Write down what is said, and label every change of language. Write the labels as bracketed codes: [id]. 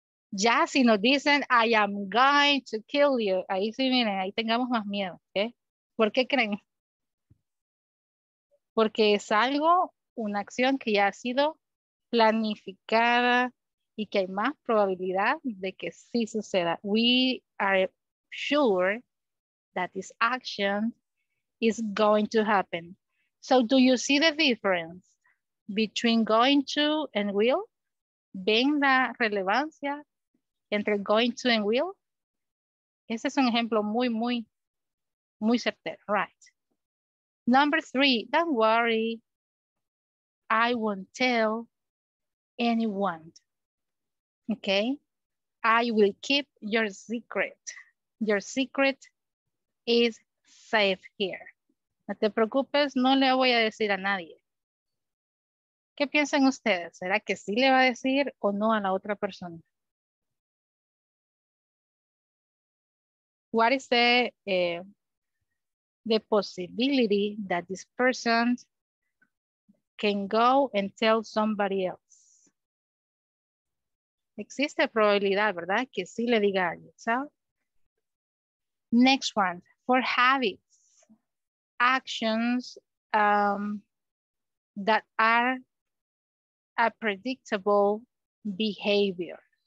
[es] Ya si nos dicen, [en] I am going to kill you. [es] Ahí sí, miren, ahí tengamos más miedo. ¿Eh? ¿Por qué creen? Porque es algo, una acción que ya ha sido planificada y que hay más probabilidad de que sí suceda. [en] We are sure that this action is going to happen. So do you see the difference between going to and will? [es] ¿Ven la relevancia entre going to and will? Ese es un ejemplo muy, muy, muy certero. [en] Right. Number three, don't worry. I won't tell anyone. Okay? I will keep your secret. Your secret is safe here. [es] No te preocupes, no le voy a decir a nadie. ¿Qué piensan ustedes? ¿Será que sí le va a decir o no a la otra persona? [en] What is the possibility that this person can go and tell somebody else? [es] Existe probabilidad, ¿verdad? Que sí le diga a alguien, ¿sabes? [en] Next one, for habits, actions that are a predictable behavior.